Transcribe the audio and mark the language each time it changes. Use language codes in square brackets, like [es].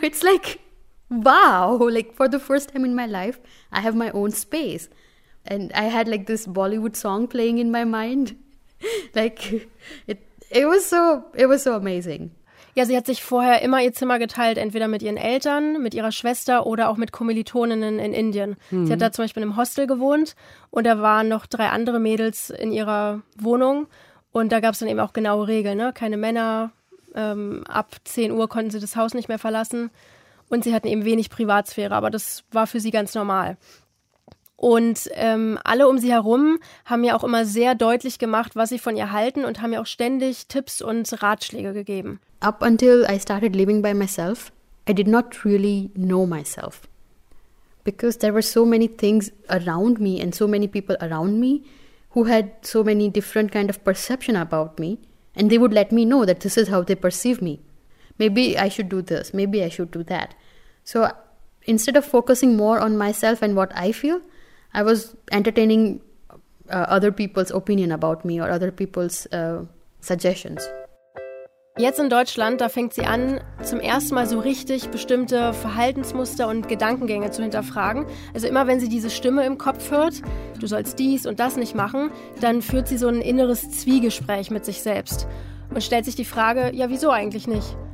[en] It's like, wow, like for the first time in my life, I have my own space. And I had like this Bollywood song playing in my mind. Like, it was so amazing. [de] Ja, sie hat sich vorher immer ihr Zimmer geteilt, entweder mit ihren Eltern, mit ihrer Schwester oder auch mit Kommilitoninnen in Indien. Mhm. Sie hat da zum Beispiel im Hostel gewohnt und da waren noch drei andere Mädels in ihrer Wohnung. Und da gab es dann eben auch genaue Regeln, ne? Keine Männer, ab 10 Uhr konnten sie das Haus nicht mehr verlassen. Und sie hatten eben wenig Privatsphäre, aber das war für sie ganz normal. Und alle um sie herum haben ja auch immer sehr deutlich gemacht, was sie von ihr halten und haben ihr auch ständig Tipps und Ratschläge gegeben. [en] Up until I started living by myself, I did not really know myself. Because there were so many things around me and so many people around me who had so many different kind of perception about me. And they would let me know that this is how they perceive me. Maybe I should do this, maybe I should do that. So instead of focusing more on myself and what I feel, I was entertaining other people's opinion about me or other people's suggestions. [de] Jetzt in Deutschland, da fängt sie an, zum ersten Mal so richtig bestimmte Verhaltensmuster und Gedankengänge zu hinterfragen. Also immer, wenn sie diese Stimme im Kopf hört, du sollst dies und das nicht machen, dann führt sie so ein inneres Zwiegespräch mit sich selbst und stellt sich die Frage, ja, wieso eigentlich nicht?